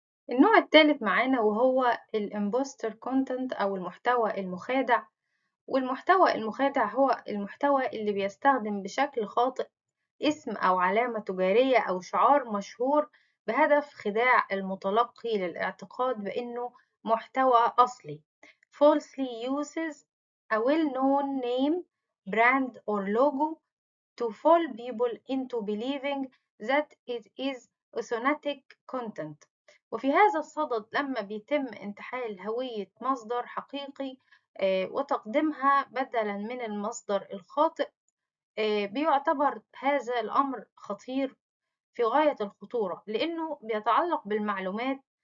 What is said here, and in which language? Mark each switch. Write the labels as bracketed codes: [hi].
[ar] النوع الثالث معانا وهو الامبوستر كونتنت أو المحتوى المخادع. والمحتوى المخادع هو المحتوى اللي بيستخدم بشكل خاطئ اسم أو علامة تجارية أو شعار مشهور بهدف خداع المتلقي للاعتقاد بأنه محتوى أصلي. [en] Falsely uses a well-known name, brand or logo to fool people into believing that it is authentic content. [ar] وفي هذا الصدد لما بيتم انتحال هوية مصدر حقيقي وتقديمها بدلا من المصدر الخاطئ، بيعتبر هذا الأمر خطير في غاية الخطورة لأنه بيتعلق بالمعلومات،